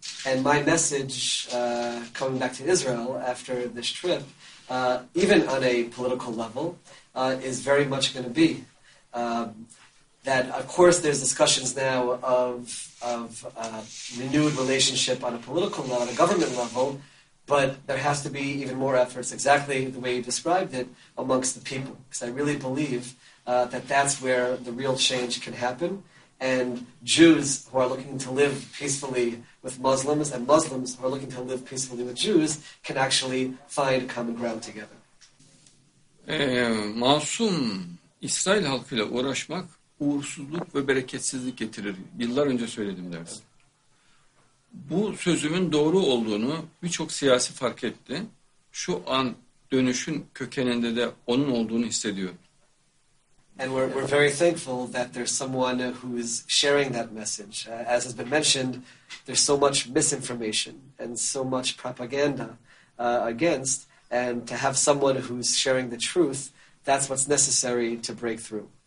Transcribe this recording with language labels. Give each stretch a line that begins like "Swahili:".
English: And my message, coming back to Israel after this trip, even on a political level, is very much going to be that, of course, there's discussions now of renewed relationship on a political level, on a government level, but there has to be even more efforts, exactly the way you described it, amongst the people. Because I really believe that that's where the real change can happen. And Jews who are looking to live peacefully with Muslims and Muslims who are looking to live peacefully with Jews can actually find common ground together.
Turkish: Masum İsrail halkıyla uğraşmak uğursuzluk ve bereketsizlik getirir. Yıllar önce söyledim dersin. Bu sözümün doğru olduğunu birçok siyasi fark etti. Şu an dönüşün kökeninde de onun olduğunu hissediyorum.
English: And we're very thankful that there's someone who is sharing that message. As has been mentioned, there's so much misinformation and so much propaganda against, and to have someone who's sharing the truth, that's what's necessary to break through.